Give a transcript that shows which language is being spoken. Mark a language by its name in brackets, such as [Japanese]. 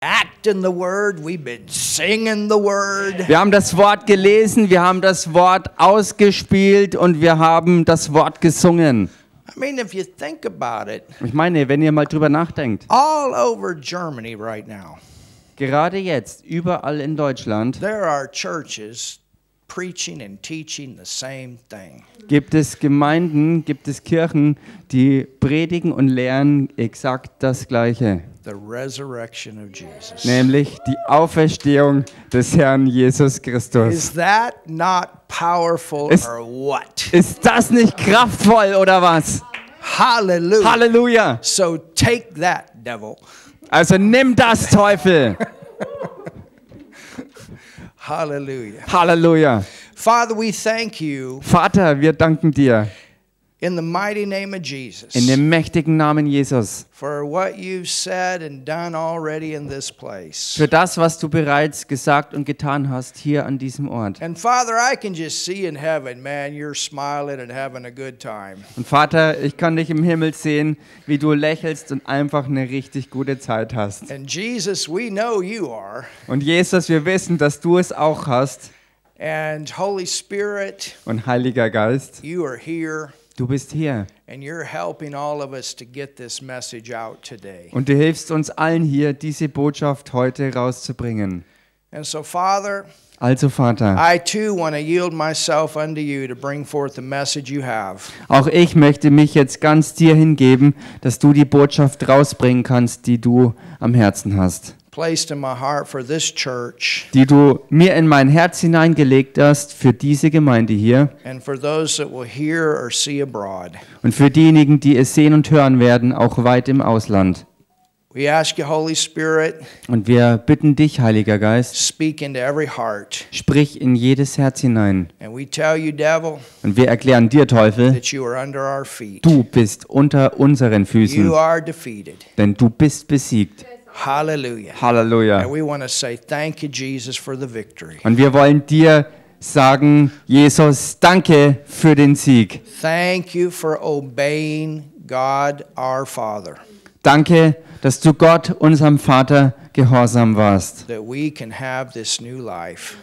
[English] act in the word, we've been singing the word. [German] Wir haben das Wort gelesen, wir haben das Wort ausgespielt und wir haben das Wort gesungen. [English] I mean, if you think about it, [German] ich meine, wenn ihr mal drüber nachdenkt, [English] all over Germany right now, [German] gerade jetzt, überall in Deutschland, [English] there are churches preaching and teaching the same thing. [German] Gibt es Gemeinden, gibt es Kirchen, die predigen und lehren exakt das Gleiche. [English] The resurrection of Jesus. [German] Nämlich die Auferstehung des Herrn Jesus Christus. [English] Is that not powerful or what? [German] Ist das nicht kraftvoll oder was? [English] Halleluja. [German] Halleluja. [English] So take that, devil. [German] Also nimm das, Teufel. [English] Halleluja. [German] Halleluja. [English] Father, we thank you. [German] Vater, wir danken dir. [English] In the mighty name of Jesus. [German] In dem mächtigen Namen Jesus. [English] For what you've said and done already in this place. [German] Für das, was du bereits gesagt und getan hast hier an diesem Ort. [English] And Father, I can just see in heaven, man, you're smiling and having a good time. [German] Und Vater, ich kann dich im Himmel sehen, wie du lächelst und einfach eine richtig gute Zeit hast. [English] And Jesus, we know you are. [German] Und Jesus, wir wissen, dass du es auch hast. [English] And Holy Spirit. [German] Und Heiliger Geist. [English] You are here. [German] Du bist hier. [English] And you're helping all of us to get this message out today. [German] Und du hilfst uns allen hier, diese Botschaft heute rauszubringen. [English] And so, Father, [German] also Vater, [English] I too want to yield myself unto you to bring forth the message you have. [German] Auch ich möchte mich jetzt ganz dir hingeben, dass du die Botschaft rausbringen kannst, die du am Herzen hast. [English] Placed in my heart for this church. [German] Die du mir in mein Herz hineingelegt hast für diese Gemeinde hier. [English] And for those that will hear or see abroad. [German] Und für diejenigen, die es sehen und hören werden, auch weit im Ausland. [English] We ask you, Holy Spirit. [German] Und wir bitten dich, Heiliger Geist. [English] Speak into every heart. [German] Sprich in jedes Herz hinein. [English] And we tell you, devil. [German] Und wir erklären dir, Teufel. [English] That you are under our feet. [German] Du bist unter unseren Füßen. [English] You are defeated. [German] Denn du bist besiegt. [English] Halleluja. [German] Halleluja. [English] And we want to say thank you, Jesus, for the victory. [German] Und wir wollen dir sagen, Jesus, danke für den Sieg. [English] Thank you for obeying God, our Father. [German] Danke, dass du Gott, unserem Vater, gehorsam warst. [English] That we can have this new life.